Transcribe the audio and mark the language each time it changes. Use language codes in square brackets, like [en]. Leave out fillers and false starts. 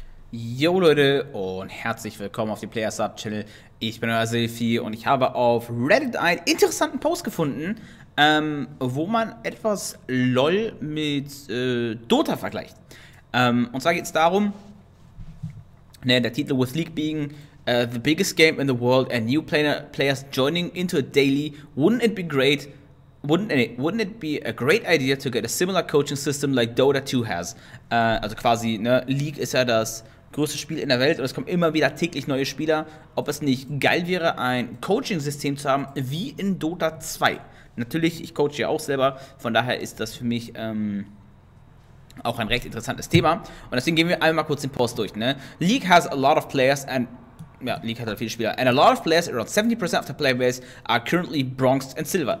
[de] Yo Leute und herzlich willkommen auf dem Player Sub Channel. Ich bin euer Silphi und ich habe auf Reddit einen interessanten Post gefunden, wo man etwas LOL mit Dota vergleicht. Und zwar geht es darum, ne, der Titel [en] with League being the biggest game in the world and new players joining into it daily, wouldn't it be a great idea to get a similar coaching system like Dota 2 has? [de] Also quasi, ne, League ist ja das größtes Spiel in der Welt und es kommen immer wieder täglich neue Spieler, ob es nicht geil wäre, ein Coaching-System zu haben, wie in Dota 2. Natürlich, ich coache ja auch selber, von daher ist das für mich auch ein recht interessantes Thema. Und deswegen gehen wir einmal kurz den Post durch. Ne? [en] League has a lot of players and [de] ja, League hat halt viele Spieler. [en] And a lot of players, around 70% of the playbase, are currently Bronze and Silver.